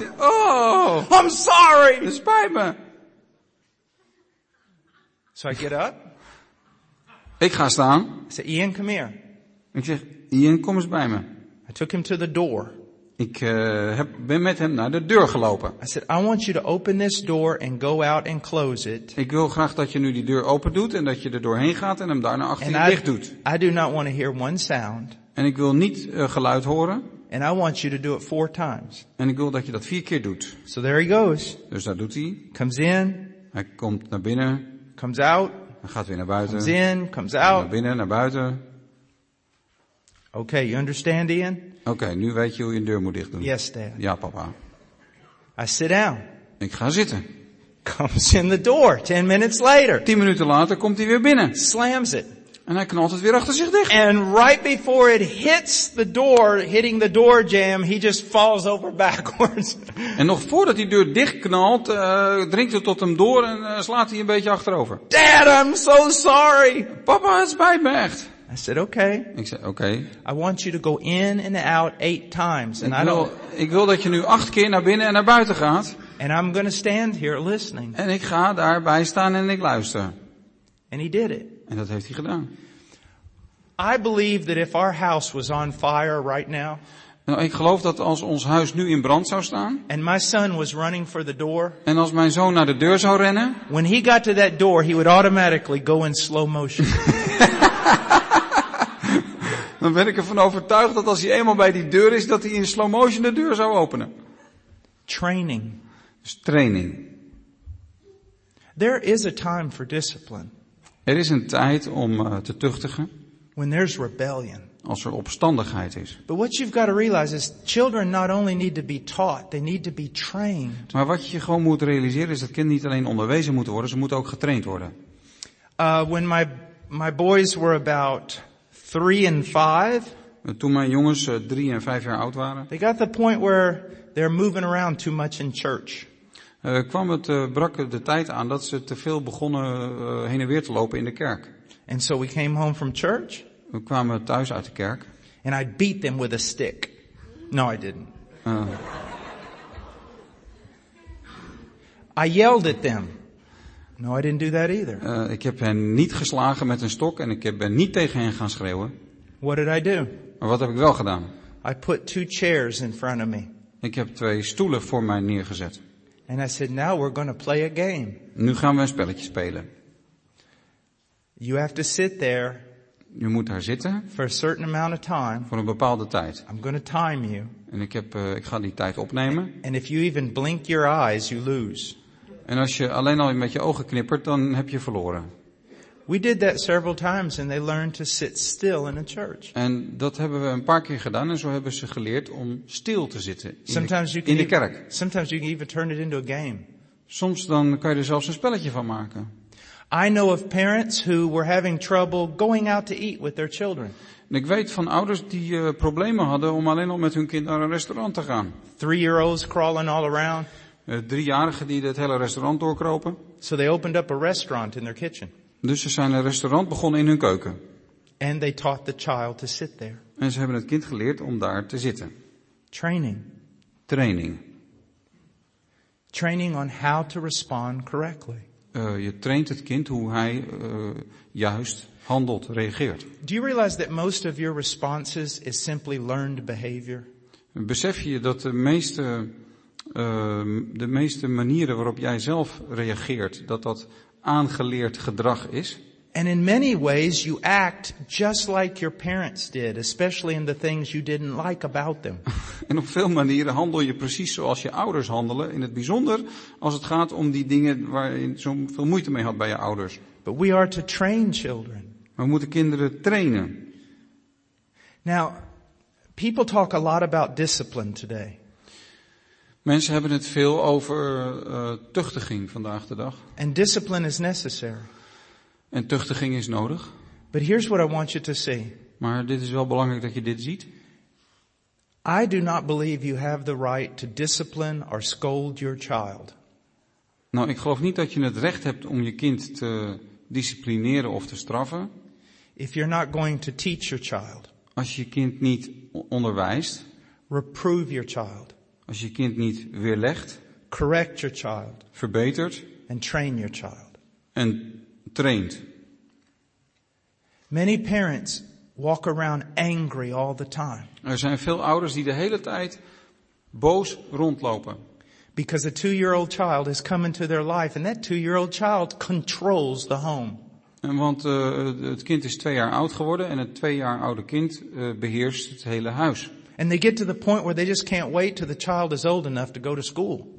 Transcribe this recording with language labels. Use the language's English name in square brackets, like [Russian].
[English] Oh! I'm sorry! [Dutch] Het spijt me. [English] So I get up. [Dutch] Ik ga staan. [English] I said, Ian, come here. [Dutch] Ik zeg, Ian, kom eens bij me. [English] I took him to the door. [Dutch] Ik ben met hem naar de deur gelopen. [English] I said, I want you to open this door and go out and close it. [Dutch] Ik wil graag dat je nu die deur open doet en dat je er doorheen gaat en hem daarna achter je dicht doet. [English] I do not want to hear one sound. [Dutch] En ik wil niet geluid horen. [English] And I want you to do it 4 times. [Dutch] En ik wil dat je dat 4 keer doet. [English] So there he goes. [Dutch] Dus daar doet hij. [English] Comes in. [Dutch] Hij komt naar binnen. [English] Comes out. [Dutch] Hij gaat weer naar buiten. [English] Comes in, comes out. [Dutch] Naar binnen, naar buiten. [English] Okay, you understand, Ian? [Dutch] Okay, nu weet je hoe je een deur moet dicht doen. [English] Yes, Dad. [Dutch] Ja, papa. [English] I sit down. [Dutch] Ik ga zitten. [English] Comes in the door 10 minutes later. [Dutch] 10 minuten later komt hij weer binnen. [English] Slams it. [Dutch] En hij knalt het weer achter zich dicht. [English] And right before it hits the door, hitting the door jam, he just falls over backwards. [Dutch] En nog voordat die deur dichtknalt, dringt het tot hem door en slaat hij een beetje achterover. [English] Dad, I'm so sorry. [Dutch] Papa, het spijt me echt. [English] I said, okay. [Dutch] Ik zei, okay. [English] I want you to go in and out 8 times. And [Dutch] ik wil dat je nu 8 keer naar binnen en naar buiten gaat. [English] And I'm gonna stand here listening. [Dutch] En ik ga daarbij staan en ik luister. [English] And he did it. [Dutch] En dat heeft hij gedaan. [English] I believe that if our house was on fire right now. [Dutch] Nou, ik geloof dat als ons huis nu in brand zou staan. [English] And my son was running for the door. [Dutch] En als mijn zoon naar de deur zou rennen. [English] When he got to that door, he would automatically go in slow motion. [Dutch] Dan ben ik ervan overtuigd dat als hij eenmaal bij die deur is, dat hij in slow motion de deur zou openen. [English] Training. [Dutch] Dus training. [English] There is a time for discipline. [Dutch] Er is een tijd om te tuchtigen. [English] When there's rebellion. [Dutch] Als er opstandigheid is. [English] But what you've got to realize is children not only need to be taught, they need to be trained. [Dutch] Maar wat je gewoon moet realiseren is dat kinderen niet alleen onderwezen moeten worden, ze moeten ook getraind worden. [English] When my boys were about 3 and 5. [Dutch] Toen mijn jongens 3 en 5 jaar oud waren. [English] They got the point where they're moving around too much in church. [Dutch] Brak de tijd aan dat ze te veel begonnen heen en weer te lopen in de kerk. [English] And so we came home from church. [Dutch] We kwamen thuis uit de kerk. [English] And I beat them with a stick. No, I didn't. I yelled at them. No, I didn't do that either. [Dutch] Ik heb hen niet geslagen met een stok en ik ben niet tegen hen gaan schreeuwen. [English] What did I do? [Dutch] Maar wat heb ik wel gedaan? [English] I put 2 chairs in front of me. [Dutch] Ik heb 2 stoelen voor mij neergezet. [English] And I said, now we're going to play a game. [Dutch] Nu gaan we een spelletje spelen. [English] You have to sit there. [Dutch] Je moet daar zitten. [English] For a certain amount of time. [Dutch] Voor een bepaalde tijd. [English] I'm going to time you. [Dutch] En ik ga die tijd opnemen. [English] And if you even blink your eyes, you lose. [Dutch] En als je alleen al met je ogen knippert, dan heb je verloren. [English] We did that several times and they learned to sit still in a church. [Dutch] En dat hebben we een paar keer gedaan en zo hebben ze geleerd om stil te zitten in de kerk. [English] Sometimes you can even turn it into a game. [Dutch] Soms dan kan je er zelfs een spelletje van maken. [English] I know of parents who were having trouble going out to eat with their children. [Dutch] En ik weet van ouders die problemen hadden om alleen al met hun kind naar een restaurant te gaan. [English] 3-year-olds crawling all around. [Dutch] 3-jarigen die het hele restaurant doorkropen. [English] So they opened up a restaurant in their kitchen. [Dutch] Dus ze zijn een restaurant begonnen in hun keuken. [English] And they taught the child to sit there. [Dutch] En ze hebben het kind geleerd om daar te zitten. [English] Training. [Dutch] Training. [English] Training on how to respond correctly. [Dutch] Je traint het kind hoe hij juist handelt, reageert. [English] Do you realize that most of your responses is simply learned behavior? [Dutch] Besef je dat de meeste manieren waarop jij zelf reageert, dat aangeleerd gedrag is. [English] And in many ways you act just like your parents did, especially in the things you didn't like about them. [Dutch] En op veel manieren handel je precies zoals je ouders handelen, in het bijzonder als het gaat om die dingen waar je zo veel moeite mee had bij je ouders. [English] But we are to train children. [Dutch] We moeten kinderen trainen. [English] Now, people talk a lot about discipline today. [Dutch] Mensen hebben het veel over tuchtiging vandaag de dag. [English] And discipline is necessary. [Dutch] En tuchtiging is nodig. [English] But here's what I want you to see. [Dutch] Maar dit is wel belangrijk dat je dit ziet. [English] I do not believe you have the right to discipline or scold your child. [Dutch] Nou, ik geloof niet dat je het recht hebt om je kind te disciplineren of te straffen. [English] If you're not going to teach your child. [Dutch] Als je kind niet onderwijst. [English] Reprove your child. [Dutch] Als je kind niet weerlegt. [English] Correct your child. [Dutch] Verbetert. [English] And train your child. [Dutch] En traint. [English] Many parents walk around angry all the time. [Dutch] Er zijn veel ouders die de hele tijd boos rondlopen. [English] Because a 2-year-old child has come into their life and that 2-year-old child controls the home. [Dutch] En want het kind is 2 jaar oud geworden en het 2 jaar oude kind beheerst het hele huis. [English] And they get to the point where they just can't wait till the child is old enough to go to school.